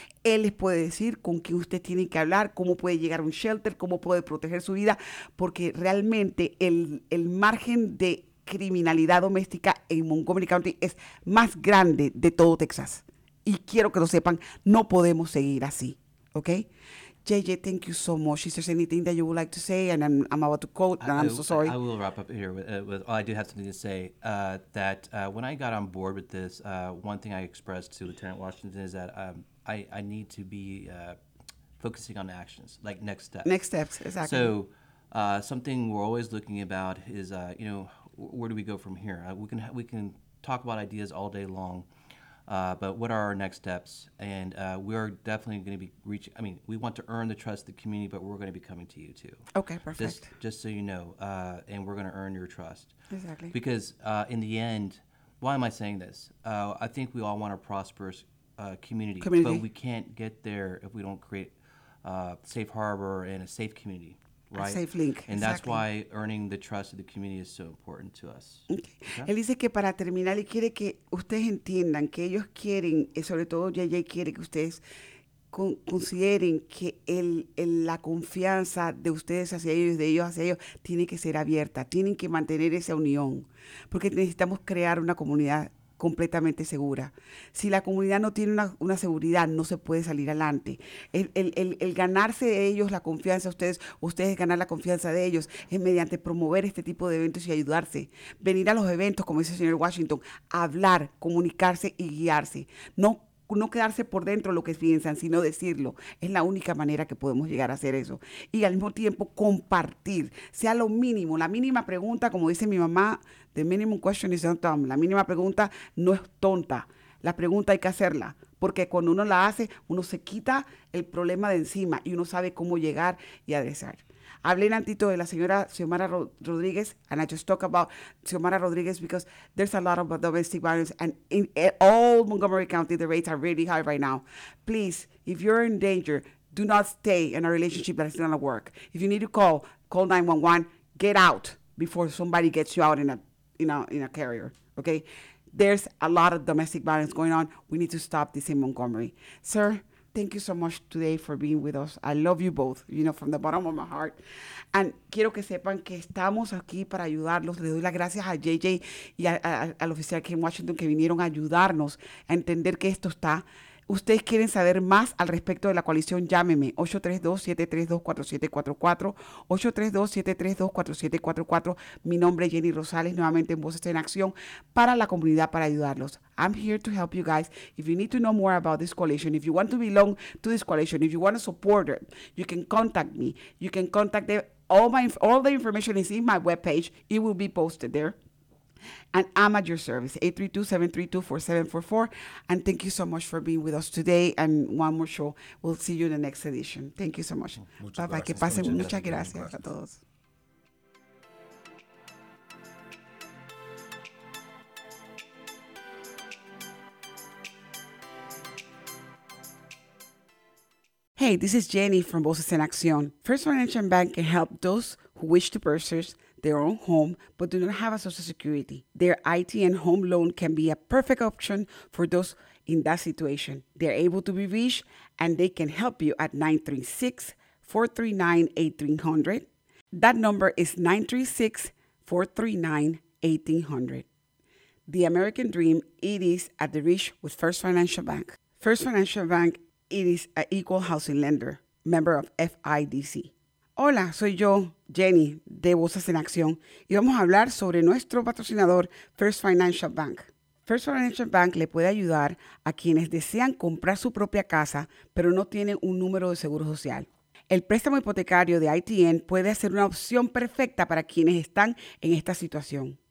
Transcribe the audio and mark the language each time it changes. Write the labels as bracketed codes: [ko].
[es] Él les puede decir con quién usted tiene que hablar, cómo puede llegar a un shelter, cómo puede proteger su vida, porque realmente el margen de criminalidad doméstica en Montgomery County es más grande de todo Texas. Y quiero que lo sepan, no podemos seguir así, ¿ok? [en] JJ, thank you so much. Is there anything that you would like to say? And I'm about to quote, and I'm so sorry. I will wrap up here. I do have something to say, that when I got on board with this, one thing I expressed to Lieutenant Washington is that I need to be focusing on actions, like next steps. Next steps, exactly. So something we're always looking about is, you know, where do we go from here? We can talk about ideas all day long. But what are our next steps? And we are definitely going to be reaching. I mean, we want to earn the trust of the community, but we're going to be coming to you too. Okay, perfect. Just so you know, and we're going to earn your trust. Exactly. Because in the end, why am I saying this? I think we all want a prosperous community. But we can't get there if we don't create a safe harbor and a safe community. Right. Safe link. And that's why earning the trust of the community is so important to us. Okay. [es] Él dice que para terminar, él quiere que ustedes entiendan que ellos quieren, y sobre todo JJ quiere que ustedes consideren que la confianza de ustedes hacia ellos, de ellos hacia ellos, tiene que ser abierta. Tienen que mantener esa unión. Porque necesitamos crear una comunidad completamente segura. Si la comunidad no tiene una seguridad, no se puede salir adelante. El ganarse de ellos la confianza, ustedes ganar la confianza de ellos, es mediante promover este tipo de eventos y ayudarse. Venir a los eventos, como dice el señor Washington, hablar, comunicarse y guiarse. No quedarse por dentro lo que piensan, sino decirlo. Es la única manera que podemos llegar a hacer eso. Y al mismo tiempo compartir, sea lo mínimo, la mínima pregunta, como dice mi mamá, [en] the minimum question is not dumb. [es] La mínima pregunta no es tonta. La pregunta hay que hacerla, porque cuando uno la hace, uno se quita el problema de encima y uno sabe cómo llegar y adresar. Hablé tantito de la señora Xiomara Rodríguez, [en] and I just talk about Xiomara Rodríguez because there's a lot of domestic violence, and in all Montgomery County, the rates are really high right now. Please, if you're in danger, do not stay in a relationship that is not going to work. If you need to call 911, get out before somebody gets you out in a carrier, okay? There's a lot of domestic violence going on. We need to stop this in Montgomery. Sir, thank you so much today for being with us. I love you both, you know, from the bottom of my heart. And [es] quiero que sepan que estamos aquí para ayudarlos. Le doy las gracias a JJ y al oficial Kim Washington que vinieron a ayudarnos a entender que esto está. Ustedes quieren saber más al respecto de la coalición, llámeme 832-732-4744, 832-732-4744. Mi nombre es Jenny Rosales, nuevamente en Voces en Acción, para la comunidad, para ayudarlos. [en] I'm here to help you guys. If you need to know more about this coalition, if you want to belong to this coalition, if you want to support it, you can contact me. You can contact them. All the information is in my webpage. It will be posted there. And I'm at your service, 832-732-4744. And thank you so much for being with us today. And one more show. We'll see you in the next edition. Thank you so much. Bye-bye. [es] Que pasen. Muchas gracias a todos. [en] Hey, this is Jenny from Voces en Acción. First Financial Bank can help those who wish to purchase their own home but do not have a Social Security. Their IT and home loan can be a perfect option for those in that situation. They're able to be reached and they can help you at 936-439-1800. That number is 936-439-1800. The American dream, it is at the reach with First Financial Bank. First Financial Bank, it is an equal housing lender, member of FIDC. [es] Hola, soy yo, Jenny, de Voces en Acción, y vamos a hablar sobre nuestro patrocinador, First Financial Bank. First Financial Bank le puede ayudar a quienes desean comprar su propia casa, pero no tienen un número de seguro social. El préstamo hipotecario de ITN puede ser una opción perfecta para quienes están en esta situación.